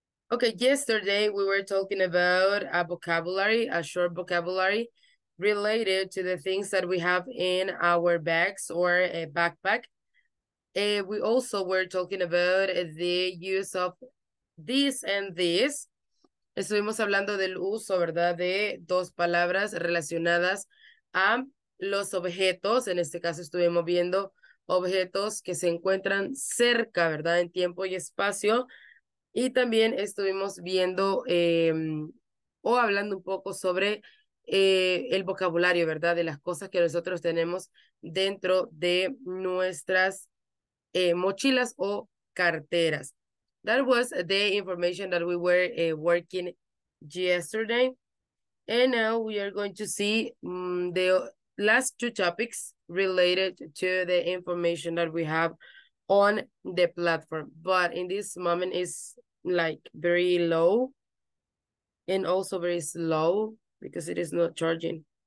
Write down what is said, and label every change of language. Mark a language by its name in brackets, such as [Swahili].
[English] Okay, yesterday we were talking about a vocabulary, a short vocabulary related to the things that we have in our bags or a backpack. We also were talking about the use of this and this. [Spanish] Estuvimos hablando del uso, ¿verdad?, de dos palabras relacionadas a los objetos. En este caso estuvimos viendo objetos que se encuentran cerca, ¿verdad?, en tiempo y espacio. Y también estuvimos viendo o hablando un poco sobre el vocabulario, ¿verdad? De las cosas que nosotros tenemos dentro de nuestras mochilas o carteras. [English] That was the information that we were working yesterday. And now we are going to see the last two topics related to the information that we have on the platform. But in this moment, it's like very low and also very slow, because it is not charging.